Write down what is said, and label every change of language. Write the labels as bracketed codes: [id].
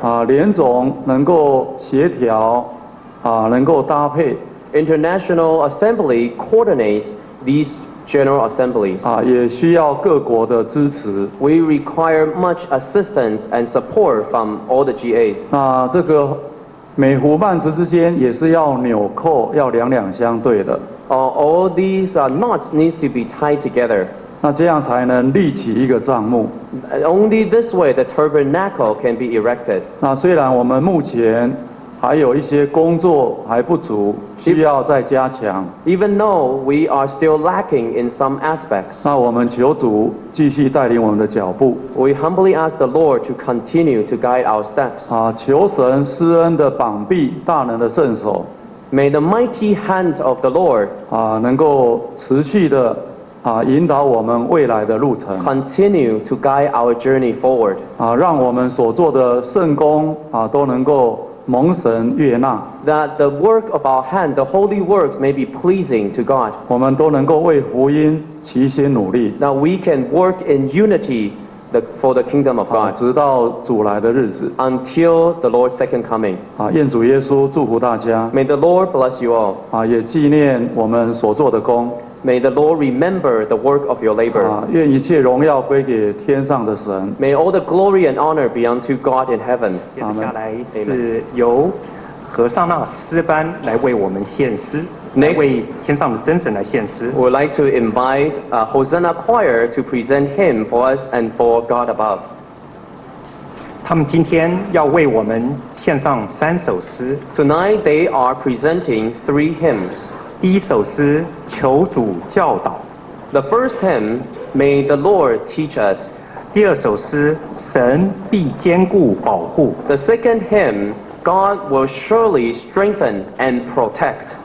[zh] 啊、联总能够协调、啊、能够搭配 [en] International Assembly coordinates these general assemblies.、 [zh] 啊、也需要各国的支持 [en] we require much assistance and support from all the GAs.、 [zh] 啊这个每壶幔子之间也是要纽扣要两两相对的、 [en] all these knots need to be tied together [zh] 那这样才能立起一个帐幕 [en] Only this way the tabernacle can be erected [zh] 那虽然我们目前还有一些工作还不足需要再加强 [en] Even though we are still lacking in some aspects [zh] 那我们求主继续带领我们的脚步 [en] We humbly ask the Lord to continue to guide our steps [zh] 啊，求神施恩的膀臂大能的圣手 [en] May the mighty hand of the Lord [zh] 啊，能够持续的啊，引导我们未来的路程 [en] Continue to guide our journey forward [zh] 啊，让我们所做的圣工啊，都能够蒙神悦纳 [en] that the work of our hand the holy works may be pleasing to God [zh] 我们都能够为福音齐心努力 [en] that we can work in unity for the kingdom of God [zh] 直到主来的日子 [en] until the Lord's second coming [zh] 愿主耶稣祝福大家 [en] may the Lord bless you all [zh] 也纪念我们所做的工 [en] may the Lord remember the work of your labor [zh] 愿一切荣耀归给天上的神 [en] may all the glory and honor be unto God in heaven [zh] 接着下来是由和尚那诗班来为我们献诗 [en] Next, [zh] 为天上的真神来献诗 [en] We would like to invite Hosanna Choir to present him for us and for God above [zh] 他们今天要为我们献上三首诗 [en] Tonight they are presenting three hymns [zh] 第一首诗求主教导 [en] The first hymn May the Lord teach us [zh] 第二首诗神必坚固保护 [en] The second hymnGod will surely strengthen and protect.